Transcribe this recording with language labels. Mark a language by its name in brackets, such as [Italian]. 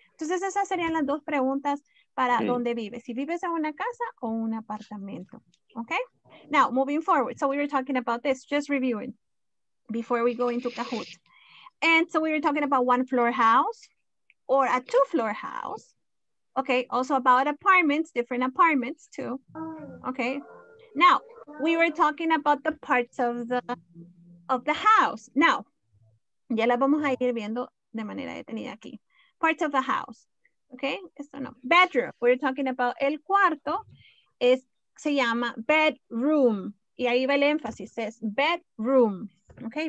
[Spanish] Entonces esas serían las dos preguntas para dónde vives. Si vives en una casa o un apartamento. [English] Okay, now moving forward. So we were talking about this, just reviewing before we go into Kahoot. And so we were talking about one floor house or a two floor house. Okay, also about apartments, different apartments too. Okay, now we were talking about the parts of the house. [Spanish] Now, ya la vamos a ir viendo de manera detenida aquí. [English] Parts of the house, okay? [Spanish] Esto no. [English] Bedroom, we were talking about [Spanish] el cuarto, se llama [English] bedroom. [Spanish] Y ahí va el énfasis, es bedroom, okay?